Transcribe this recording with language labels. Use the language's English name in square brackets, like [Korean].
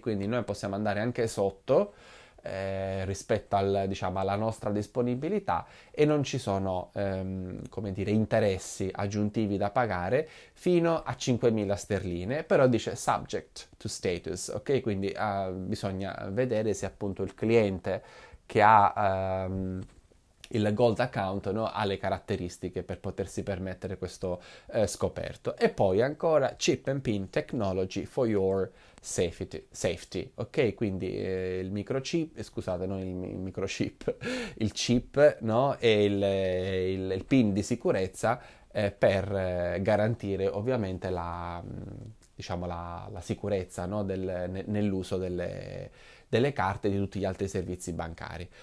[Italian] Quindi noi possiamo andare anche sotto rispetto diciamo, alla nostra disponibilità, e non ci sono, come dire, interessi aggiuntivi da pagare fino a 5.000 sterline, però dice [English] subject to status, [Italian] ok? Quindi bisogna vedere se appunto il cliente che ha il gold account, no, ha le caratteristiche per potersi permettere questo scoperto. E poi ancora [English] chip and PIN technology for your safety, ok? [Italian] Quindi il microchip, scusate, non il microchip, il chip, no, e il PIN di sicurezza per garantire ovviamente diciamo la sicurezza, no, nell'uso delle carte, di tutti gli altri servizi bancari.